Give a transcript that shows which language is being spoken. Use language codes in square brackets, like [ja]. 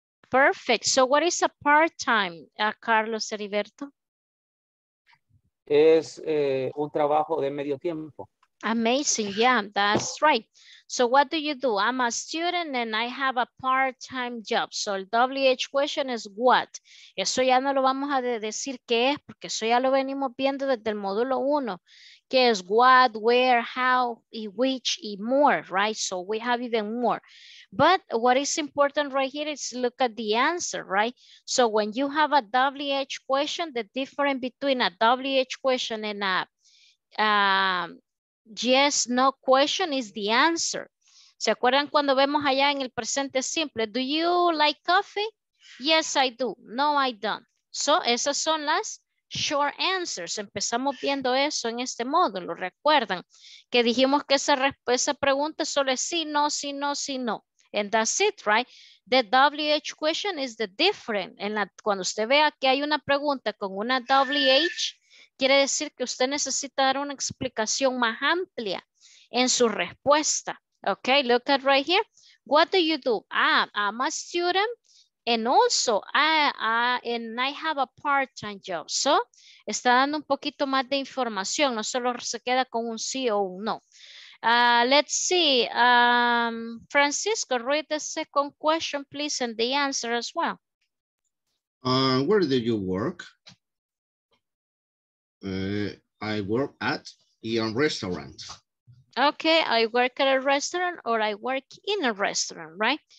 [en] Perfect. So what is a part-time, Carlos Heriberto? [es] Es un trabajo de medio tiempo. [en] Amazing, yeah, that's right. So what do you do? I'm a student and I have a part-time job. So el WH question is what? [es] Eso ya no lo vamos a decir qué es, porque eso ya lo venimos viendo desde el módulo 1. Qué es [en] what, where, how, y which, y more, right? So we have even more. But what is important right here is look at the answer, right? So when you have a WH question, the difference between a WH question and a yes, no question is the answer. [es] ¿Se acuerdan cuando vemos allá en el presente simple? [en] Do you like coffee? Yes, I do. No, I don't. [es] So esas son las short answers. Empezamos viendo eso en este módulo. ¿Recuerdan? Que dijimos que esa pregunta solo es sí, no, sí, no, sí, no. [en] And that's it, right? The WH question is the different. [es] En la, cuando usted vea que hay una pregunta con una WH, quiere decir que usted necesita dar una explicación más amplia en su respuesta. [en] Okay, look at right here. What do you do? I'm a student and also I have a part-time job. [es] So, está dando un poquito más de información. No solo se queda con un sí o un no. [en] Let's see. Francisco, read the second question, please, and the answer as well. Where do you work? I work at a restaurant. Okay, I work at a restaurant or I work in a restaurant, right?